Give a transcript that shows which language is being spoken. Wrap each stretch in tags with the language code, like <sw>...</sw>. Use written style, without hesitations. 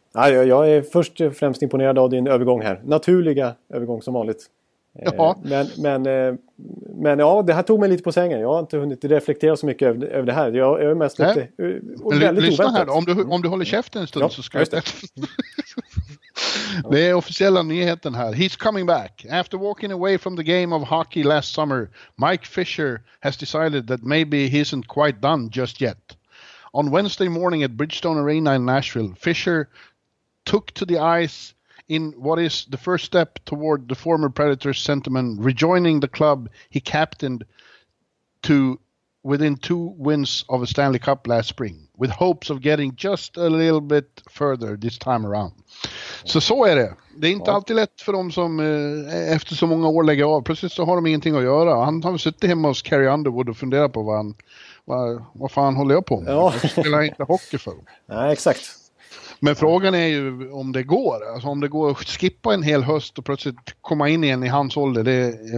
<sv>Ja, jag är först och främst imponerad av din övergång här. Naturliga övergång som vanligt. Men det här tog mig lite på sängen. Jag har inte hunnit reflektera så mycket över det här. Jag är mest lite väldigt oväntat. Lyssna här då, om du håller käften en stund så ska jag det. Det är officiella nyheten här.</sv> <en>He's coming back. After walking away from the game of hockey last summer, Mike Fisher has decided that maybe he isn't quite done just yet. On Wednesday morning at Bridgestone Arena in Nashville, Fisher took to the ice in what is the first step toward the former Predators sentiment, rejoining the club he captained to within 2 wins of a Stanley Cup last spring, with hopes of getting just a little bit further this time around.</en> <sv>Så är det. Det är inte alltid lätt för dem som efter så många år lägger av. Precis, så har de ingenting att göra. Han har suttit hemma hos Carrie Underwood och funderat på vad fan håller jag på med? Ja. Jag spelar inte hockey för dem. Nej, exakt. Men frågan är ju om det går. Alltså, om det går att skippa en hel höst och plötsligt komma in igen i hans ålder.</sv>